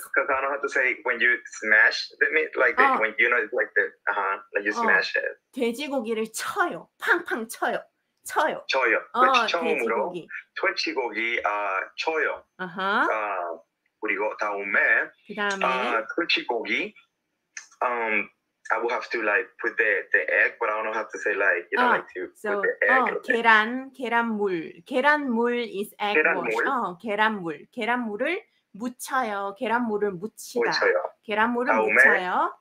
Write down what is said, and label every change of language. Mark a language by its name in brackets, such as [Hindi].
[English] Because I don't know how to say when you smash the meat, like the, when you know, like the, like you smash it. [Korean] 돼지고기를 쳐요. 팡팡 쳐요. 쳐요. 쳐요. 처음으로 돼지고기 쳐요. 그리고 다음에 돼지고기 [English] I will have to like put the egg, but I don't have to say like you know like to put the egg. [Korean] 계란 계란물 계란물 [English] is egg wash. [Korean] 계란물 계란물을 묻혀요. 계란물을 묻히다. 묻혀요. 계란물을 다음에, 묻혀요.